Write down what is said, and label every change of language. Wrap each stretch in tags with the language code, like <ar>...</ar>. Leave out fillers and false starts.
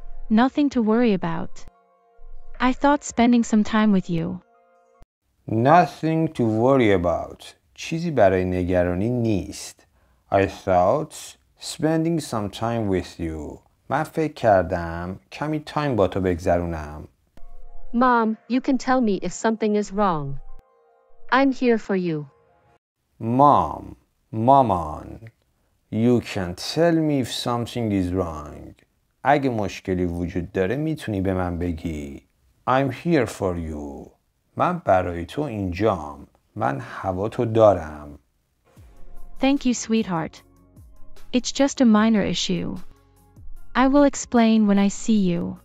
<en>Nothing to worry about. I thought spending some time with you. Nothing to worry about.</en> <fa>چیزی برای نگرانی نیست.</fa> <en>I thought spending some time with you.</en> <fa>من فکر کردم کمی تایم با تو بگذرونم.</fa> <en>Mom, you can tell me if something is wrong. I'm here for you. Mom,</en> <fa>مامان,</fa> <en>you can tell me if something is wrong.</en> <fa>اگه مشکلی وجود داره میتونی به من بگی.</fa> <en>I'm here for you.</en> <fa>من برای تو اینجام. من هوا تو دارم.</fa> <en>Thank you, sweetheart. It's just a minor issue. I will explain when I see you.</en>